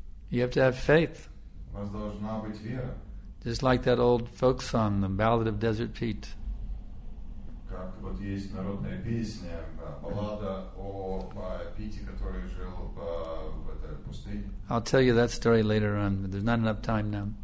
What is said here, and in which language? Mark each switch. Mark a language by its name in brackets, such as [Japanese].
[English] You have to have faith. [Russian] У вас должна быть вера. [English] Just like that old folk song, the Ballad of Desert Pete. [Russian] Как вот есть народная песня, баллада о Пите, который жил в этой пустыне. [English] I'll tell you that story later on, but there's not enough time now.